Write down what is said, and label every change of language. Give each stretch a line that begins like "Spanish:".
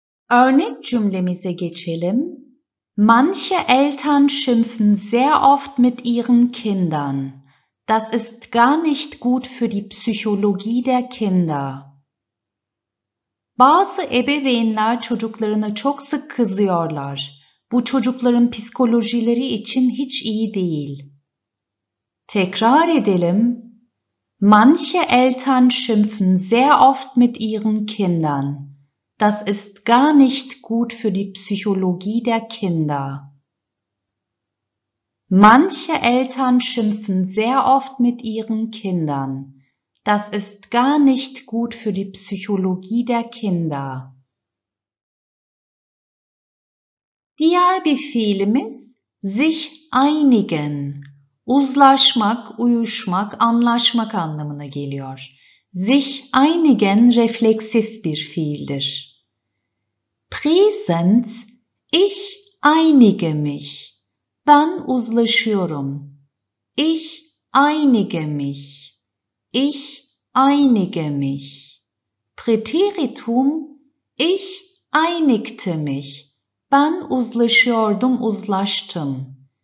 Turkish: Örnek cümlemize geçelim.
German: Manche Eltern schimpfen sehr oft mit ihren Kindern. Das ist gar nicht gut für die Psychologie der Kinder.
Turkish: Bazı ebeveynler çocuklarına çok sık kızıyorlar. Bu çocukların psikolojileri için hiç iyi değil. Tekrar edelim.
German: Manche Eltern schimpfen sehr oft mit ihren Kindern. Das ist gar nicht gut für die Psychologie der Kinder. Manche Eltern schimpfen sehr oft mit ihren Kindern. Das ist gar nicht gut für die Psychologie der Kinder.
Turkish: Diğer bir fiilimiz, sich einigen. Uzlaşmak, uyuşmak, anlaşmak anlamına geliyor. Sich einigen refleksif bir fiildir.
German: Präsens, ich einige mich.
Turkish: Ben uzlaşıyorum.
German: Ich einige mich. Ich einige mich. Präteritum, ich einigte mich.
Turkish: Ben uzlaşıyordum, uzlaştım.